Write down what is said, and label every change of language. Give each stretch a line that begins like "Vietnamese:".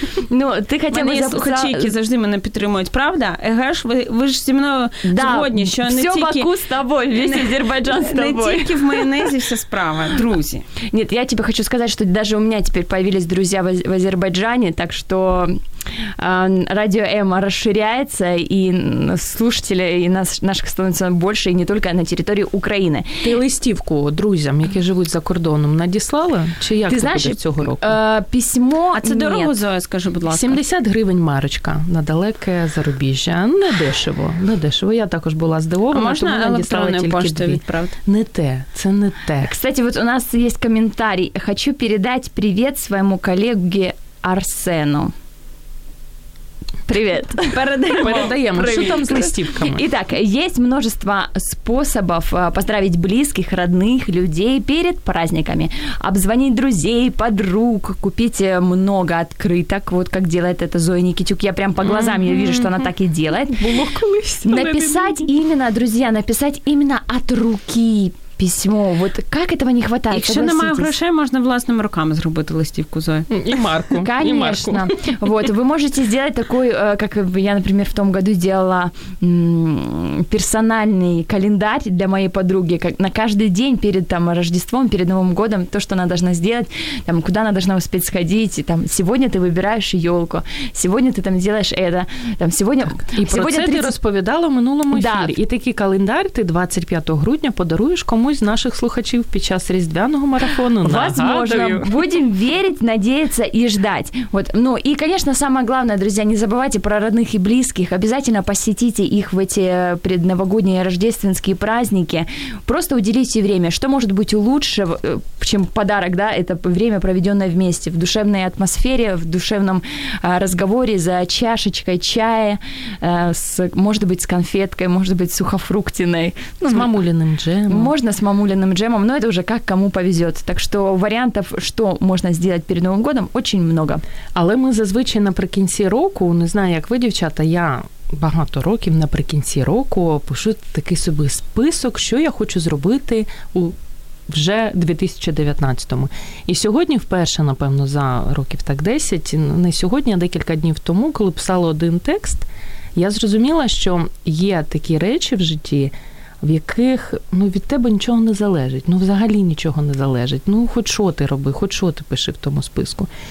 Ukrainian: Ну, ти хотіла записати. які завжди мене підтримують. Правда? Егеш, ви ж зі мною згодні, що не тільки... Все Баку з тобою, весь Азербайджан з тобою. Не тільки в майонезі вся справа, друзі. Ні, я тебе хочу сказати, що даже у мене тепер появились друзі в Азербайджані, так що...
Russian: Радио Эмма расширяется, и слушателей и наших становится больше, и не только на территории Украины.
Ukrainian: Ты листівку друзьям, які живуть за кордоном, надіслала? Чи як ти знаєш, буде цього року?
Russian: Письмо...
Ukrainian: А це дорого, Зоя, скажи, будь ласка. 70 гривень марочка на далеке зарубіжжя. Не дешево, не дешево. Я також була здивована, тому надіслала тільки дві. А можна електронною поштою відправити? Не те, це не те.
Russian: Кстати, вот
Ukrainian: у нас є коментар. Хочу передати привіт своєму колегу Арсену.
Russian: Привет. Передаем. Привет. Что там с листивками? Итак, есть множество способов поздравить близких, родных, людей перед праздниками. Обзвонить друзей, подруг, купить много открыток, вот как делает это Зоя Никитюк. Я прям по глазам ее вижу, что она так и делает. Написать именно, друзья, написать именно от руки письмо. Вот как этого не хватает? Якщо немає грошей, можна власними руками зробити листівку, Зоя. І марку. Конечно. Вот, ви можете сделать такой, как я, например, в том году делала персональный календарь для моей подруги, как на каждый день перед там Рождеством, перед Новым годом, то, что она должна сделать, там, куда она должна успеть сходить, и, там, сегодня ты выбираешь елку, сегодня ты там делаешь это, там, сегодня...
Ukrainian: Так.
Russian: И сегодня
Ukrainian: про це 30... ти розповідала в минулому ефірі. Да. І такий календарь ти 25 грудня подаруєш комусь з наших слухачів під час різдвяного марафону.
Russian: Возможно.
Ukrainian: Нагадую.
Russian: Будем верить, надеяться и ждать. Вот. Ну, и, конечно, самое главное, друзья, не забывайте про родных и близких. Обязательно посетите их в эти предновогодние рождественские праздники. Просто уделите время. Что может быть лучше, чем подарок, да, это время, проведенное вместе, в душевной атмосфере, в душевном разговоре за чашечкой чая, может быть, с конфеткой, может быть, сухофруктиной. Ну, с мамулиным джемом. Можно с мамулиным джемом, но это уже как кому повезет. Так что вариантов, что можно сделать перед Новым годом, очень много.
Ukrainian: Але мы зазвичай наприкінці року, не знаю, як ви, дівчата, я багато років наприкінці року пишу такий собі список, що я хочу зробити у вже 2019-му. І сьогодні вперше, напевно, за років так 10, не сьогодні, а декілька днів тому, коли писала один текст, я зрозуміла, що є такі речі в житті, в яких, ну, від тебе нічого не залежить, ну, взагалі нічого не залежить, ну, хоч що ти роби, хоч що ти пиши в тому списку.